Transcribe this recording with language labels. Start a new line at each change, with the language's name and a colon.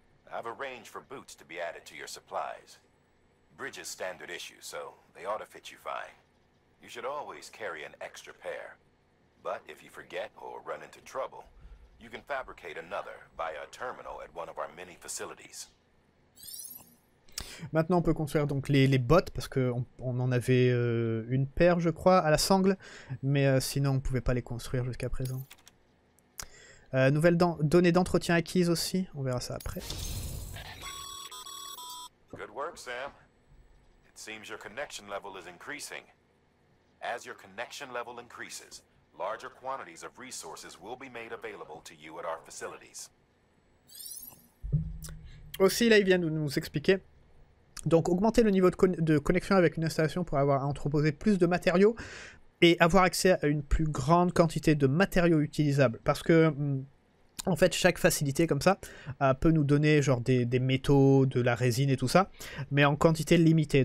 English: I've arranged for boots to be added to your supplies. Bridge's standard issue, so they ought to fit you fine. You should always carry an extra pair. But if you forget or run into trouble, you can fabricate another via a terminal at one of our many facilities.
French: Maintenant, on peut construire donc les bottes, parce qu'on en avait une paire, je crois, à la sangle. Mais sinon, on ne pouvait pas les construire jusqu'à présent. Nouvelles données d'entretien acquises aussi, on verra ça après.
English: Good work, Sam. It seems your connection level is increasing. As your connection level increases, larger quantities of resources will be made available to you at our facilities.
French: Aussi, là, il vient de nous expliquer. Donc, augmenter le niveau de connexion avec une installation pour avoir à entreposer plus de matériaux et avoir accès à une plus grande quantité de matériaux utilisables. Parce que En fait, chaque facilité comme ça peut nous donner genre des métaux, de la résine et tout ça, mais en quantité limitée.